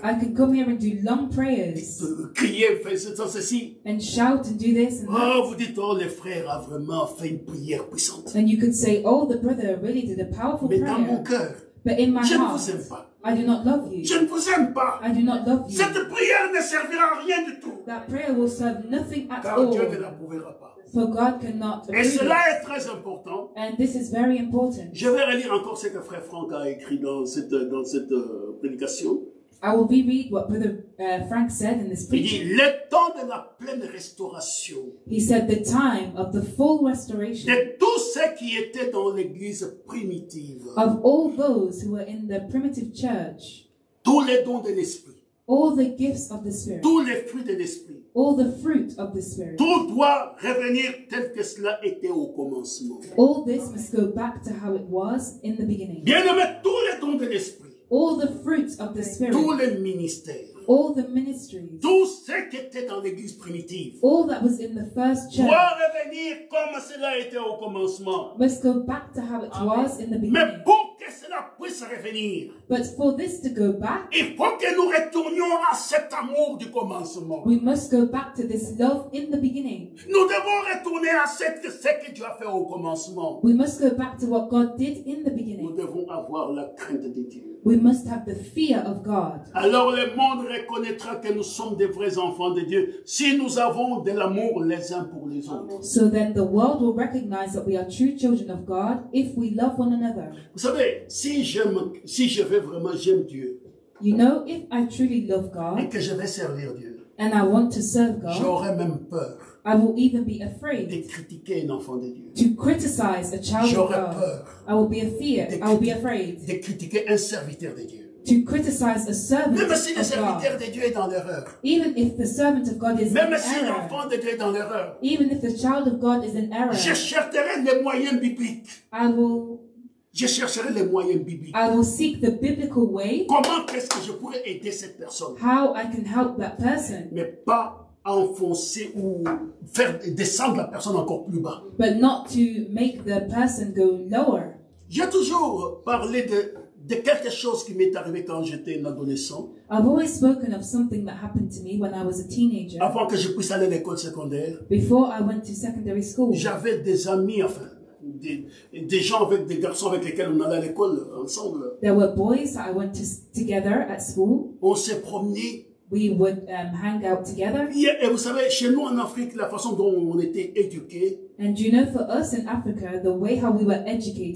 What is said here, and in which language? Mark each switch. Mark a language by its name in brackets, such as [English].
[English] I can come here and do long prayers. [French] Crier, faire ceci, ceci. [English] And shout and do this and oh, that. [French] Vous dites, oh, le frère a vraiment fait une prière puissante. [English] And you could say, oh, the brother really did a powerful [French] mais [English] prayer. [French] Mais dans mon cœur. [English] But in my [French] je [English] heart. [French] Je ne vous aime pas. [English] I do not love you. [French] Je ne vous aime pas. [English] I do not love you. [French] Cette prière ne servira à rien du tout. [English] That prayer will serve nothing at [French] car [English] all. [French] Car Dieu ne la pourra pas. [English] For God cannot [French] et cela [English] it. [French] Est très important. [English] And this is very important. [French] Je vais relire encore ce que frère Franck a écrit dans cette prédication. [English] I will reread what Brother Frank said in this preaching. [French] Il dit, le temps de la pleine restauration. [English] He said the time of the full restoration. [French] De tous ceux qui étaient dans l'église primitive. [English] Of all those who were in the primitive church. [French] Tous les dons de l'esprit. [English] All the gifts of the Spirit. [French] Tous les fruits de l'esprit. [English] All the fruit of the Spirit. [French] Tout doit revenir tel que cela était au commencement. [English] All this must go back to how it was in the beginning. [French] Bien-aimé, tous les dons de l'esprit. [English] All the fruits of the Spirit. [French] Tous les ministères. [English] All the ministries. [French] Tout ce qui était dans l'église primitive. [English] All that was in the first church. [French] Doit revenir comme cela était au commencement. [English] Must go back to how it was in the beginning. [French] Mais pour que cela puisse revenir. [English] But for this to go back. [French] Il faut que nous retournions à cet amour du commencement. [English] We must go back to this love in the beginning. [French] Nous devons retourner à ce que Dieu a fait au commencement. [English] We must go back to what God did in the beginning. [French] Nous devons avoir la crainte de Dieu. [English] We must have the fear of God. [French] Alors le monde reconnaîtra que nous sommes des vrais enfants de Dieu si nous avons de l'amour les uns pour les autres. [English] So then the world will recognize that we are true children of God if we love one another. [French] Vous savez, si je veux vraiment j'aime Dieu. [English] You know, if I truly love God. [French] Et que je vais servir Dieu. [English] And I want to serve God. [French] J'aurai même peur. [English] I will even be afraid [French] de critiquer un enfant de Dieu. [English] To criticize a child [French] J'aurai [English] of God. [French] Peur. [English] I will be afraid. I will be afraid. [French] De critiquer un serviteur de Dieu. [English] To criticize a servant [French] même si le serviteur [English] God. [French] De Dieu est dans l'erreur. [English] Even if the servant of God is [French] même [English] in [French] si [English] error. [French] L'enfant de Dieu est dans l'erreur. [English] Even if the child of God is in error. [French] Je chercherai les moyens bibliques. [English] I will seek the biblical way. [French] Comment est-ce que je pourrais aider cette personne? [English] How I can help that person. [French] Mais pas enfoncer ou faire descendre la personne encore plus bas. [English] But not to make the person go lower. [French] J'ai toujours parlé de quelque chose qui m'est arrivé quand j'étais un adolescent. [English] I've always spoken of something that happened to me when I was a teenager. [French] Avant que je puisse aller à l'école secondaire. [English] Before I went to secondary school. [French] J'avais des amis, enfin, des gens avec des garçons avec lesquels on allait à l'école ensemble. [English] There were boys that I went to together at school. [French] On s'est promenés. [English] We would hang out together. [French] Yeah, et vous savez, chez nous en Afrique, la façon dont on était éduqués. [English] And you know, for us in Africa, the way how we were educated.